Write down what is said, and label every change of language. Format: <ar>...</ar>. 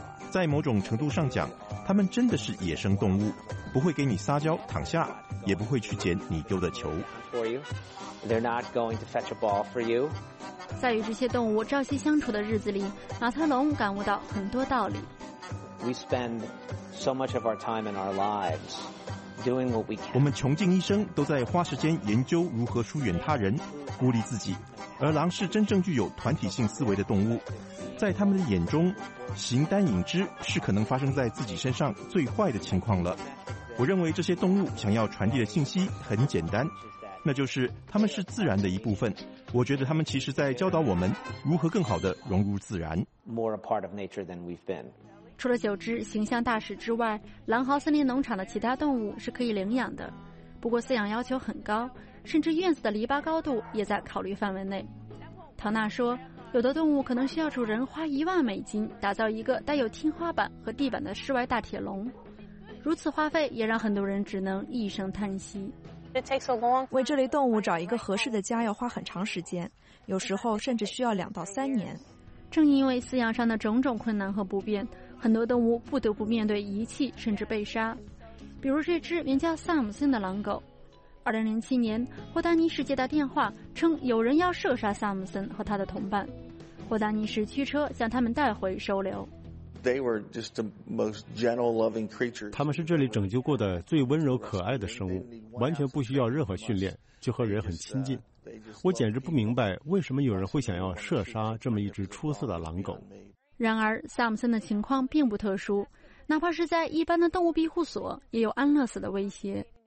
<zh>在某种程度上讲，他们真的是野生动物，不会给你撒娇躺下，也不会去捡你丢的球。在与这些动物朝夕相处的日子里，马特龙感悟到很多道理。</zh> <en>We spend so much of our time in our lives.</en> <zh>我们穷尽一生都在花时间研究如何疏远他人，孤立自己，而狼是真正具有团体性思维的动物。在他们的眼中，形单影只是可能发生在自己身上最坏的情况了。我认为这些动物想要传递的信息很简单，那就是他们是自然的一部分。我觉得他们其实在教导我们如何更好地融入自然。</zh> <en>More a part of nature than we've been.</en> <zh>除了九只形象大使之外，狼嚎森林农场的其他动物是可以领养的，不过饲养要求很高，甚至院子的篱笆高度也在考虑范围内。唐纳说，有的动物可能需要主人花$10,000打造一个带有天花板和地板的室外大铁笼，如此花费也让很多人只能一声叹息。为这类动物找一个合适的家要花很长时间，有时候甚至需要2到3年。正因为饲养上的种种困难和不便，很多动物不得不面对遗弃甚至被杀，比如这只名叫萨姆森的狼狗。 2007年，霍丹尼市接到电话，称有人要射杀萨姆森和他的同伴，霍丹尼市驱车将他们带回收留。</zh> <en>They were just the most gentle, loving creatures.</en> <zh>他们是这里拯救过的最温柔可爱的生物，完全不需要任何训练，就和人很亲近。我简直不明白为什么有人会想要射杀这么一只出色的狼狗。然而萨姆森的情况并不特殊，哪怕是在一般的动物庇护所也有安乐死的威胁。</zh>